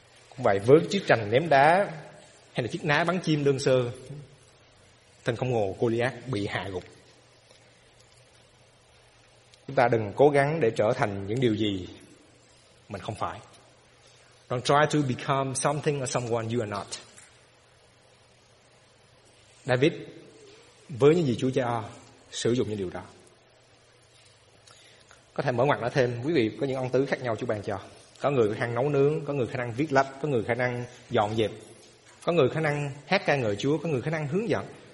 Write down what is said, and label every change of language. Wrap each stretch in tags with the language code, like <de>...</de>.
<vi>Cũng vậy, với chiếc trành ném đá hay là chiếc ná bắn chim đơn sơ, thần không ngờ Goliath bị hạ gục. Chúng ta đừng cố gắng để trở thành những điều gì mình không phải.</vi> <en>Don't try to become something or someone you are not.</en> <vi>David, với những gì Chúa cho, sử dụng những điều đó. Có thể mở ngoặc nói thêm, quý vị có những ân tứ khác nhau Chúa ban cho. Có người khả năng nấu nướng, có người khả năng viết lách, có người khả năng dọn dẹp, có người khả năng hát ca ngợi Chúa, có người khả năng hướng dẫn.</vi>